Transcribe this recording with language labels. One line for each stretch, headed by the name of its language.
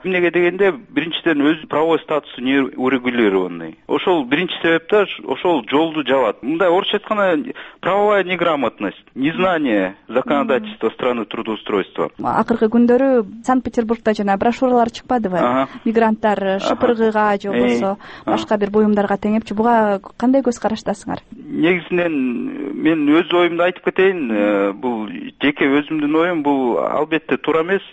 Kyrgyz: Эмнеге дегенде, биринчиден өз
Russian: правовой статусу не урегулированный.
Kyrgyz: Ошол биринчи себепте ошол жолду жабат. Мындай орусча айтканда
Russian: правовая неграмотность, незнание законодательства страны трудоустройства.
Kyrgyz: Акыркы күндөрү Санкт-Петербургда жана брошюралар чыкпадыбы? Мигранттар шыпыргыга же болбосо башка бир буюмдарга теңепчи, буга кандай көз караштасыңар? Негизинен мен өз оюмду айтып кетейин, бул жеке өзүмдүн оюм, бул албетте туура эмес.